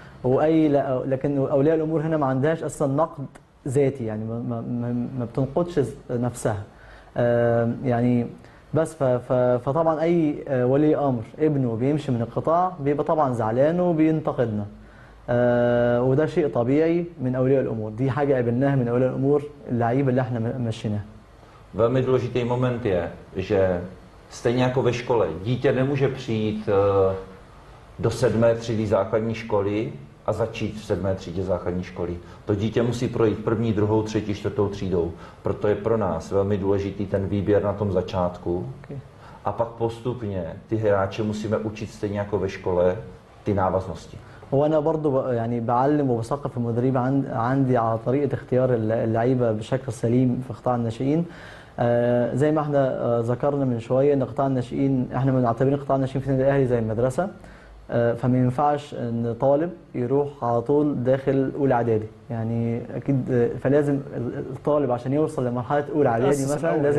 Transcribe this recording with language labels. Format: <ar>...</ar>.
<ar>وأي لكن أولياء الأمور هنا ما عندهاش أصلا نقد ذاتي، يعني ما بتنقدش نفسها يعني بس. فطبعا اي ولي امر ابنه بيمشي من القطاع بيبقى طبعا زعلان وبينتقدنا، وده شيء طبيعي من اولياء الامور. دي حاجه قابلناها من اولياء الامور اللعيبه اللي احنا مشيناها.</ar> <cs>Velmi důležitý moment je, že stejně jako ve škole dítě nemůže přijít do sedmé třídy základní školy a začít v sedmé třídě základní školy. To dítě musí projít první, druhou, třetí, čtvrtou třídou. Proto je pro nás velmi důležitý ten výběr na tom začátku. A pak postupně ty hráče musíme učit stejně jako ve škole ty návaznosti.</cs> <ar>وانا برضو يعني بعلم وبثقف المدرب عندي على طريقة اختيار اللعيبة بشكل سليم في قطاع الناشئين. زي ما احنا ذكرنا من شوية ان قطاع الناشئين احنا بنعتبر قطاع الناشئين في النادي الاهلي زي المدرسة. فما ينفعش ان طالب يروح على طول داخل اولى اعدادي يعني اكيد، فلازم الطالب عشان يوصل لمرحله اولى اعدادي مثلا لازم</ar>